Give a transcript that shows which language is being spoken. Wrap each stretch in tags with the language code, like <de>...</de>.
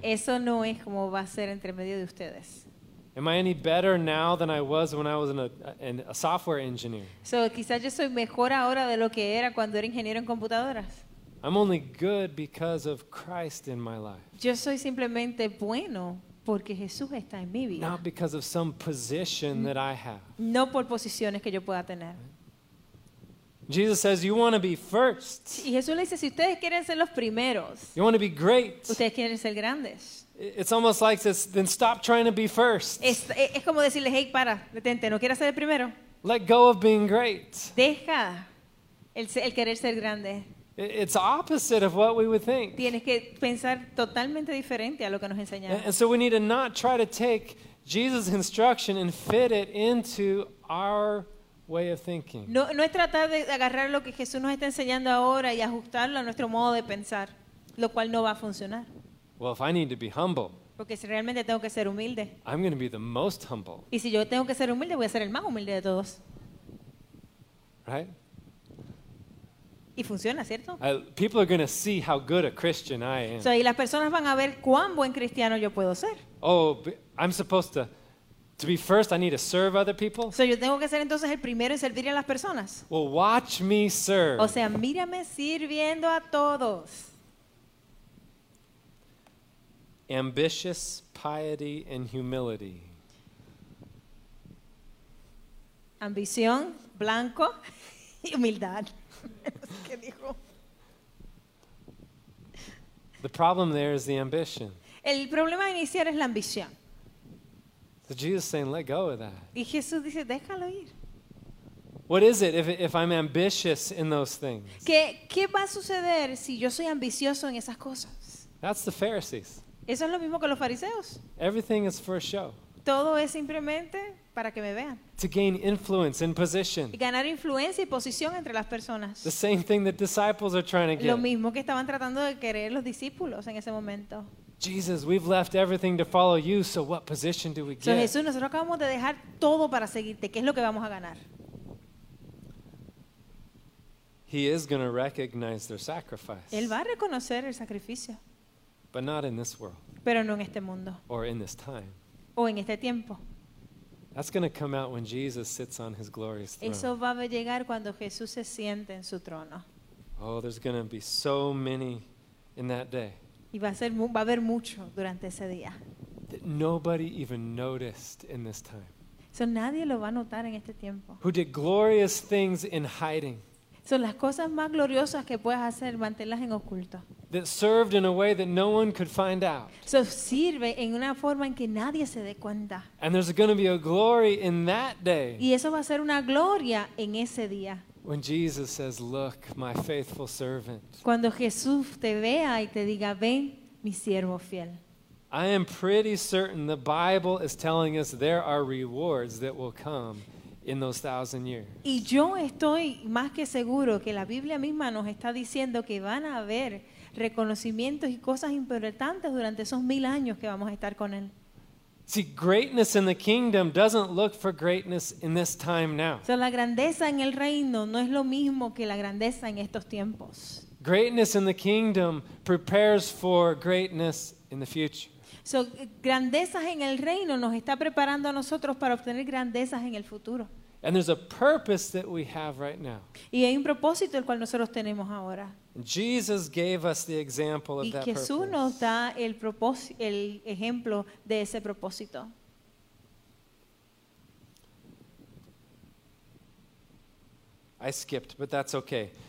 <es>Eso no es como va a ser entre medio de ustedes.</es> <en>Am I any better now than I was when I was a software engineer?</en> <es>So, quizás yo soy mejor ahora de lo que era cuando era ingeniero en computadoras.</es> <en>I'm only good because of Christ in my life.</en> <es>Yo soy simplemente bueno porque Jesús está en mi vida.</es> <en>Not because of some position that I have.</en> <es>No por posiciones que yo pueda tener.</es> <en>Jesus says, "You want to be first."</en> <es>Y Jesús le dice, si ustedes quieren ser los primeros.</es> <en>You want to be great.</en> <es>Ustedes quieren ser grandes.</es> <en>It's almost like this. Then stop trying to be first.</en> <es>Es como decirles, hey, para, detente, no quieras ser el primero.</es> <en>Let go of being great.</en> <es>Deja el querer ser grande.</es> <en>It's opposite of what we would think.</en> <es>Tienes que pensar totalmente diferente a lo que nos enseñaron.</es> <en>And so we need to not try to take Jesus' instruction and fit it into our way of thinking.</en> <es>No es tratar de agarrar lo que Jesús nos está enseñando ahora y ajustarlo a nuestro modo de pensar, lo cual no va a funcionar.</es> <en>Well, if I need to be humble,</en> <es>porque si realmente tengo que ser humilde,</es> <en>I'm going to be the most humble.</en> <es>Y si yo tengo que ser humilde, voy a ser el más humilde de todos.</es> <en>Right?</en> <es>Y funciona, ¿cierto?</es> <en>People are going to see how good a Christian I am.</en> <es>So, y las personas van a ver cuán buen cristiano yo puedo ser.</es> <en>Oh, I'm supposed to. To be first, I need to serve other people.</en> <es>So yo tengo que ser entonces el primero en servir a las personas.</es> <en>Well, watch me serve.</en> <es>O sea, mírame sirviendo a todos.</es> <en>Ambitious piety and humility.</en> <es>Ambición, blanco y humildad. ¿Qué dijo?</es> <en>The problem there is the ambition.</en> <es>El problema inicial es la ambición.</es> <en>So Jesus is saying, let go of that.</en> <es>Y Jesús dice, déjalo ir.</es> <en>What is it if I'm ambitious in those things?</en> <es>¿Qué va a suceder si yo soy ambicioso en esas cosas?</es> <en>That's the Pharisees.</en> <es>Eso es lo mismo que los fariseos.</es> <en>Everything is for a show.</en> <es>Todo es simplemente para que me vean.</es> <en>To gain influence and position.</en> <es>Ganar influencia y posición entre las personas.</es> <en>The same thing that disciples are trying to get.</en> <es>Lo mismo que estaban tratando de querer los discípulos en ese momento.</es> <en>Jesus, we've left everything to follow you, so what position do we get?</en> <es>So Jesús, nosotros acabamos de dejar todo para seguirte. ¿Qué es lo que vamos a ganar?</es> <en>He is going to recognize their sacrifice.</en> <es>Él va a reconocer el sacrificio.</es> <en>But not in this world.</en> <es>Pero no en este mundo.</es> <en>Or in this time.</en> <es>O en este tiempo.</es> <en>That's going to come out when Jesus sits on his glorious throne.</en> <es>Eso va a llegar cuando Jesús se siente en su trono.</es> <en>Oh, there's going to be so many in that day.</en> <es>Y va a haber mucho durante ese día.</es> <en>That nobody even noticed in this time.</en> <es>So nadie lo va a notar en este tiempo.</es> <en>Who did glorious things in hiding.</en> <es>Son las cosas más gloriosas que puedes hacer, mantenerlas en oculto.</es> <en>That served in a way that no one could find out.</en> <es>So sirve en una forma en que nadie se dé cuenta.</es> <en>And there's going to be a glory in that day.</en> <es>Y eso va a ser una gloria en ese día.</es> <en>When Jesus says, "Look, my faithful servant."</en> <es>Cuando Jesús te vea y te diga, "Ven, mi siervo fiel."</es> <en>I am pretty certain the Bible is telling us there are rewards that will come in those 1,000 years.</en> <es>Y yo estoy más que seguro que la Biblia misma nos está diciendo que van a haber reconocimientos y cosas importantes durante esos 1,000 años que vamos a estar con él.</es> <en>See, greatness in the kingdom doesn't look for greatness in this time now.</en> <es>So la grandeza en el reino no es lo mismo que la grandeza en estos tiempos.</es> <en>Greatness in the kingdom prepares for greatness in the future.</en> <es>So, grandezas en el reino nos está preparando a nosotros para obtener grandezas en el futuro.</es> <en>And there's a purpose that we have right now.</en> <es>Y hay un propósito el cual nosotros tenemos ahora.</es> <en>Jesus gave us the example of that purpose.</en> <es>Y Jesús nos da el ejemplo de ese propósito.</es> <en>I skipped, but that's okay.</en>